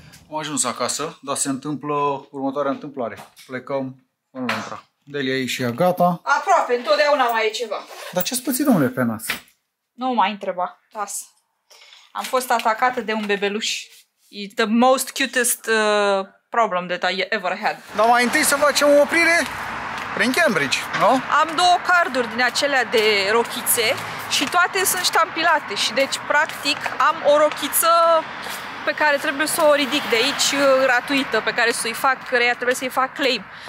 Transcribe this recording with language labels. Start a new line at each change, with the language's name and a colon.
Romanian: Am ajuns acasă, dar se întâmplă următoarea întâmplare. Plecăm în Londra. Delia e și ea gata. Aproape, întotdeauna mai e ceva. Dar ce-ați pățit, domnule, pe nas? Nu mai întreba. Las. Am fost atacată de un bebeluș.
English: The most cutest problem that I ever had.
Romanian: Dar mai întâi să facem o oprire prin Cambridge, nu? Am două carduri din acelea de rochițe și toate sunt ștampilate și deci practic am o rochiță pe care trebuie să o ridic de aici gratuită, pe care să-i fac, căreia trebuie să-i fac claim.